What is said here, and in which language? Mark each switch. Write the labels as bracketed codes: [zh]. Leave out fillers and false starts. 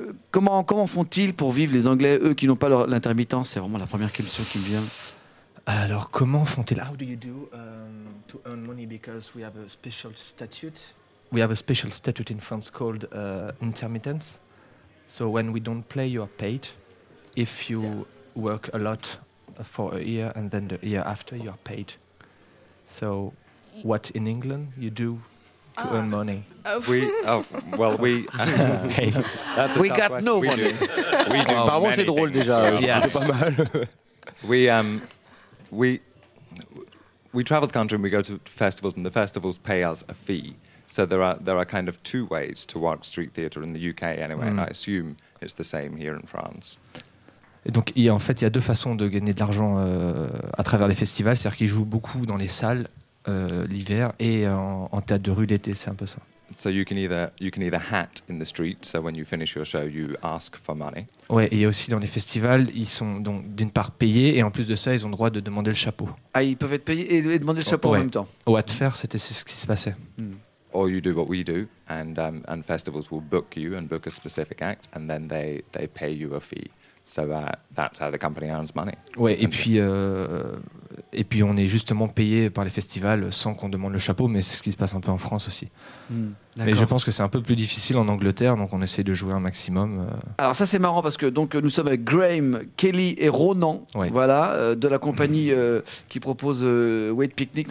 [fr] Comment font-ils pour vivre les Anglais, eux qui n'ont pas l'intermittence ? C'est vraiment la première question qui me vient. Alors, comment font-ils ? [en] How do you do to earn money because we have a special statute ? We have a special statute in France called intermittence. So when we don't play, you are paid. If you... Yeah. Work a lot for a year, and then the year after you are paid. So, what in England you do to earn money? We got no money. We do. [fr] Par contre, c'est drôle déjà. [en] Yes. we travel the country and we go to festivals, and the festivals pay us a fee. So there are kind of two ways to work street theatre in the UK anyway, and I assume it's the same here in France. [fr] Et donc, il y a deux façons de gagner de l'argent à travers les festivals. C'est-à-dire qu'ils jouent beaucoup dans les salles l'hiver et en théâtre de rue l'été. C'est un peu ça. [en] So you can either hat in the street. So when you finish your show, you ask for money. [fr] Ouais, et aussi dans les festivals, ils sont donc d'une part payés et en plus de ça, ils ont le droit de demander le chapeau. Ah, ils peuvent être payés et demander le chapeau en même temps. Au Hatfair, c'était ce qui se passait. [en] Or you do what we do, and festivals will book you and book a specific act, and then they pay you a fee. So that's how the company earns money. [fr] Ouais, et puis on est justement payé par les festivals sans qu'on demande le chapeau, mais c'est ce qui se passe un peu en France aussi. Mais je pense que c'est un peu plus difficile en Angleterre, donc on essaye de jouer un maximum. Alors ça c'est marrant parce que donc nous sommes avec Graham, Kelly et Ronan, de la compagnie qui propose Wet Picnic.